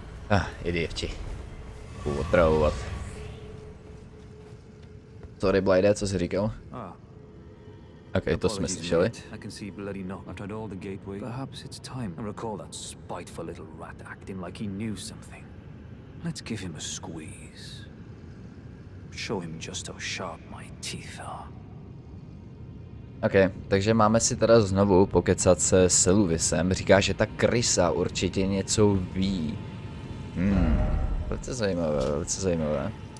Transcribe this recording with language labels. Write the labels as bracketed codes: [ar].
[cs] Ah, idioti. Půjdu otravovat. Sorry, Blyde, co jsi říkal? Okay, to jsme slyšeli. [en] I can see bloody knock. I've tried all the gateway. Perhaps it's time. I recall that spiteful little rat acting like he knew something. Let's give him a squeeze. Show him just how sharp my teeth are. [cs] Okay, takže máme si teda znovu pokecat se Silvisem. Říká, že ta krysa určitě něco ví. Velice zajímavé, velice zajímavé.